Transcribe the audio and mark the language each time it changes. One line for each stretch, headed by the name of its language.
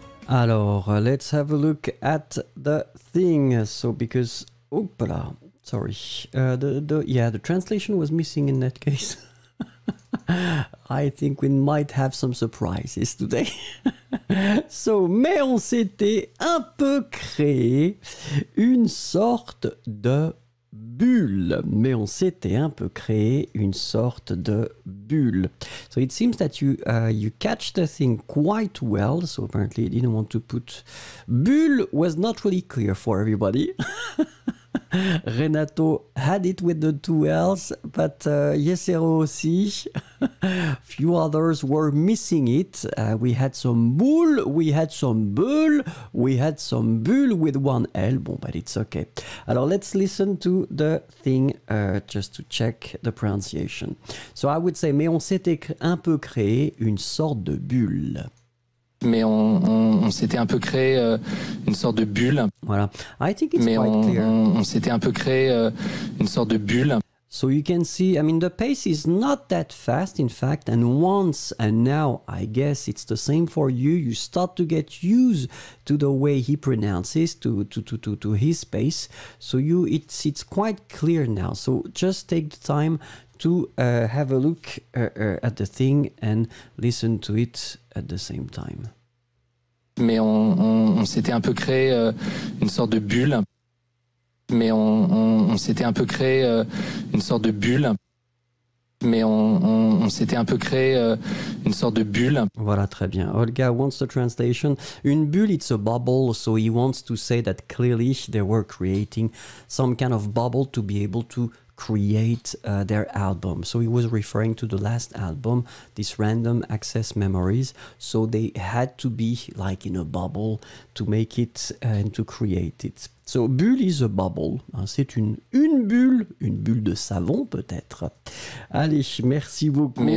English: Alors, let's have a look at the thing. So, because... Oopla, sorry. The translation was missing in that case. I think we might have some surprises today.
French: So, mais on s'était un peu créé une sorte de bulle. Mais on s'était un peu créé une sorte de bulle.
English: So it seems that you catch the thing quite well. So apparently you didn't want to put... Bulle was not really clear for everybody. Renato had it with the two L's, but Yesero aussi. Few others were missing it. We had some bull, we had some bull, we had some bull with one L. Bon, but it's okay. Alors, let's listen to the thing just to check the pronunciation. So I would say,
French: mais on s'était un peu créé une sorte de bulle. Mais on s'était un peu créé une sorte de bulle.
English: Voilà. I think it's quite clear.
French: On s'était un peu créé une sorte de bulle.
English: So you can see, I mean, the pace is not that fast, in fact. And once and now, I guess it's the same for you. You start to get used to the way he pronounces, to his pace. So you, it's quite clear now. So just take the time to have a look at the thing and listen to it at the same time.
French: Mais on s'était un peu créé une sorte de bulle. Mais on s'était un peu créé une sorte de bulle. Mais on s'était un peu créé une sorte de bulle. Voilà, très bien.
English: Olga wants the translation. Une bulle, it's a bubble, so he wants to say that clearly they were creating some kind of bubble to be able to create their album. So he was referring to the last album, this Random Access Memories. So they had to be like in a bubble to make it and to create it. So bulle is a bubble.
French: Hein, c'est une bulle de savon peut-être. Allez, merci beaucoup. Merci.